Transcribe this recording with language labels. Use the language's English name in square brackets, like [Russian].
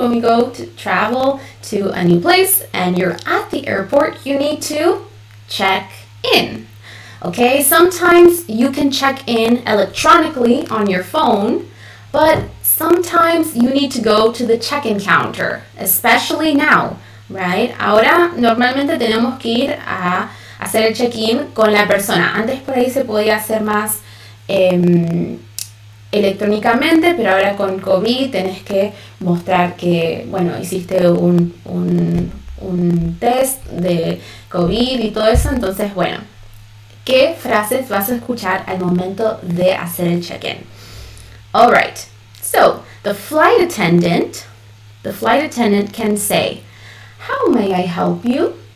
[English] When we go to travel to a new place and you're at the airport, you need to check in. Okay, sometimes you can check in electronically on your phone, but sometimes you need to go to the check-in counter, especially now, right? [Spanish] Ahora normalmente tenemos que ir a hacer el check-in con la persona. Antes por ahí se podía hacer más electrónicamente, pero ahora con COVID tenés que mostrar que, bueno, hiciste un test de COVID y todo eso. Entonces, bueno, ¿qué frases vas a escuchar al momento de hacer el check-in? [English] All right. So, the flight attendant can say, "How may I help you?